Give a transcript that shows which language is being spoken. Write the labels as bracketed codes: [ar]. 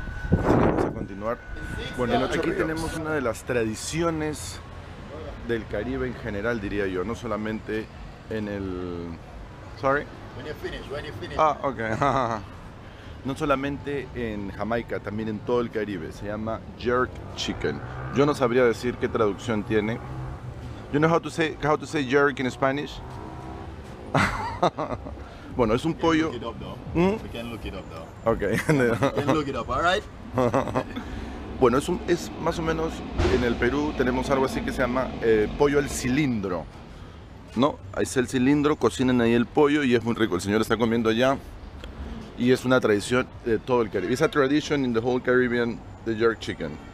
[es] Así que vamos a continuar. Bueno, en Ocho Ríos tenemos una de las tradiciones del Caribe en general, diría yo. No solamente en el... [en] Sorry? When you finish. [es] Ah, ok. No solamente en Jamaica, también en todo el Caribe. Se llama jerk chicken. Yo no sabría decir qué traducción tiene. [en] You know how to say jerk in Spanish? [es] Bueno, es un pollo. [en] We can look it up though. Okay. We can look it up, all right? [es] Bueno, es más o menos, en el Perú tenemos algo así que se llama pollo al cilindro, ¿no? Ahí es el cilindro, cocinan ahí el pollo y es muy rico. El señor está comiendo allá y es una tradición de todo el Caribe. Es una tradición en todo el Caribe, el jerk chicken.